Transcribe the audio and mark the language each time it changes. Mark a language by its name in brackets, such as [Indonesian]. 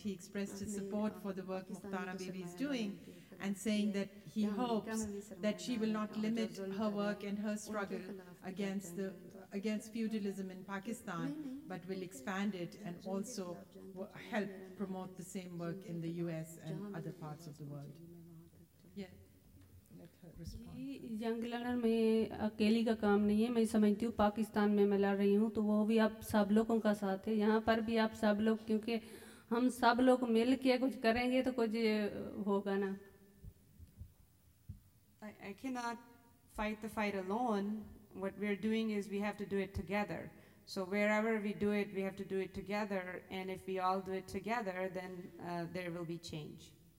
[English] He expressed his support for the work Mukhtara Bibi is doing and saying that he hopes that she will not limit her work and her struggle against feudalism in Pakistan, but will expand it and also help promote the same work in the US and other parts of the world. [Urdu] جنگ لڑن میں اکیلی کا کام نہیں ہے میں سمجھتی ہوں پاکستان میں میں لڑ رہی ہوں تو وہ بھی آپ سب لوگوں کا ساتھ ہے یہاں پر بھی آپ سب لوگ کیونکہ ہم سب لوگ مل کے کچھ کریں گے تو کچھ ہوگا نا [English] I cannot fight the fight alone what we're doing is we have to do it together so wherever we have to do it together and if we all do it together then there will be change